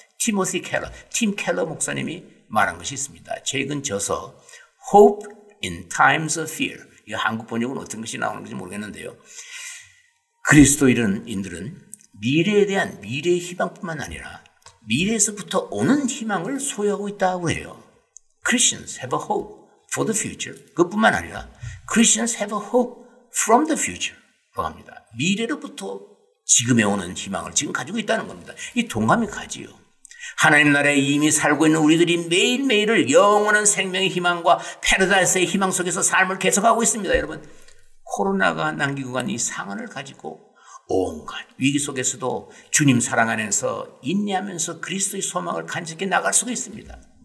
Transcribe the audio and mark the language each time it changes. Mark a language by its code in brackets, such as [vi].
[ko] 티모시 켈러, 팀 켈러 목사님이 말한 것이 있습니다. 최근 저서 Hope in Times of Fear, 이 한국 번역은 어떤 것이 나오는지 모르겠는데요, 그리스도인들은 미래에 대한 미래의 희망뿐만 아니라 미래에서부터 오는 희망을 소유하고 있다고 해요. [en] Christians have a hope for the future. [ko] 그뿐만 아니라 [en] Christians have a hope from the future라고 [ko] 합니다. 미래로부터 지금에 오는 희망을 지금 가지고 있다는 겁니다. 이 동감이 가지요. 하나님 나라에 이미 살고 있는 우리들이 매일매일을 영원한 생명의 희망과 패러다이스의 희망 속에서 삶을 계속하고 있습니다. 여러분, 코로나가 남기고 간 이 상황을 가지고 온갖 위기 속에서도 주님 사랑 안에서 인내하면서 그리스도의 소망을 간직해 나갈 수가 있습니다.